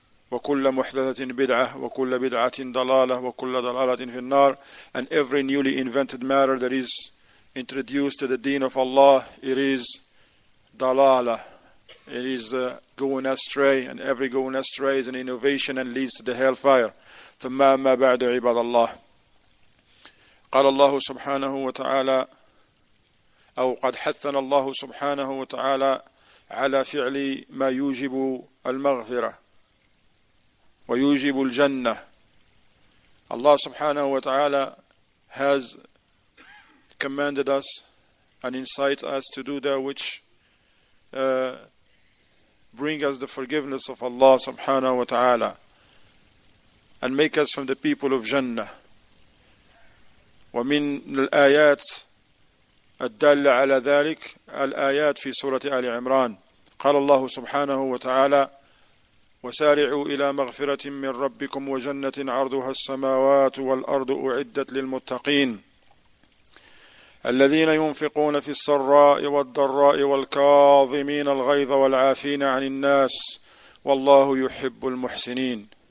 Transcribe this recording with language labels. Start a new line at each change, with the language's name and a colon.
Arabic: وكل محدثة بدعة وكل بدعة ضلالة وكل ضلالة في النار
English: and every newly invented matter that is introduced to the deen of Allah it is ضلالة it is going astray and every going astray is an innovation and leads to the hellfire
Arabic: ثم ما بعد عباد الله قال الله سبحانه وتعالى أو قد حثنا الله سبحانه وتعالى على فعل ما يوجب المغفرة ويوجب الجنة.
English: Allah subhanahu wa ta'ala has commanded us and incites us to do that which bring us the forgiveness of Allah subhanahu wa ta'ala and make us from the people of Jannah.
Arabic: ومن الآيات الدالة على ذلك الآيات في سورة آل عمران. قال الله سبحانه wa ta'ala وسارعوا إلى مغفرة من ربكم وجنة عرضها السماوات والأرض أعدت للمتقين الذين ينفقون في السراء والضراء والكاظمين الغيظ والعافين عن الناس والله يحب المحسنين